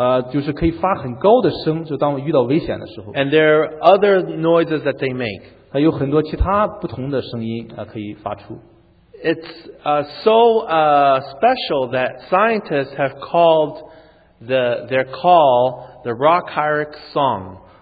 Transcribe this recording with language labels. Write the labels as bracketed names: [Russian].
[Chinese] 就是可以发很高的声，就当遇到危险的时候。 [English] And there are other noises that they make. [Chinese] 还有很多其他不同的声音可以发出。 [English] It's so special that scientists have called their call the rock hyrax song.